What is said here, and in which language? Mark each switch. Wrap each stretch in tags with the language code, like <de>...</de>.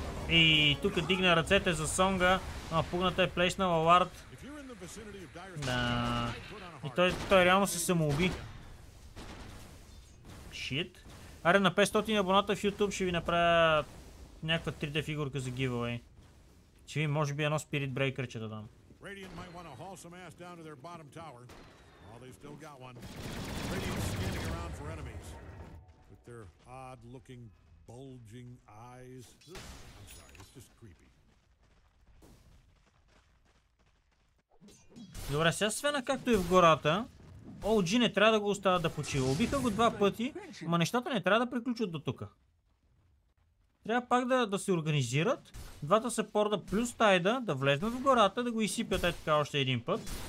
<bg>И тук дигна ръцете за Сонга. А пугната е плейснала Лард. Да. И той реално се самоуби.</bg> <en>shit.</en> <bg>Аре, на 500 абоната в YouTube ще ви направя някаква 3D фигурка за giveaway. Ще ви може би едно Spirit Breaker че да дам.</bg> <en>Radiant might want to haul some ass down to their bottom tower. While they still got one. Radiant's scanning around for enemies. With their odd looking bulging eyes. I'm sorry, it's just creepy.</en> <bg>Добре, сега Свена както е в гората. OG не трябва да го остава да почива. Убиха го два пъти, ма нещата не трябва да приключат до тука. Трябва пак да се организират. Двата сапорда плюс Тайда да влезнат в гората, да го изсипят ето така още един път.</bg>